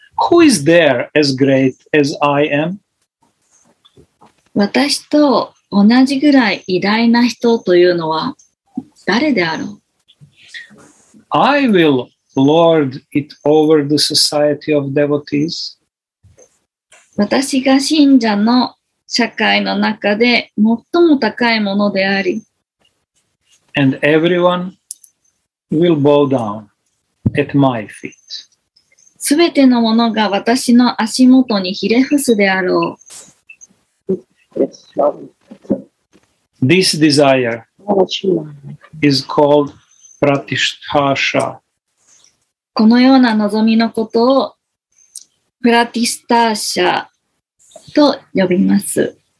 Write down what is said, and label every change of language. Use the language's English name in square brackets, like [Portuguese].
[English] Who is there as great as I am? [Japanese] 私と同じぐらい偉大な人というのは誰であろう? [English] I will lord it over the society of devotees. [Japanese] 私が信者の社会の中で最も高いものであり。 [English] And everyone will bow down at my feet. [Japanese] すべてのものが私の足元にひれ伏すであろう。 [English] This desire is called pratishtasha. [Japanese] このような望みのことをプラティスターシャと呼びます。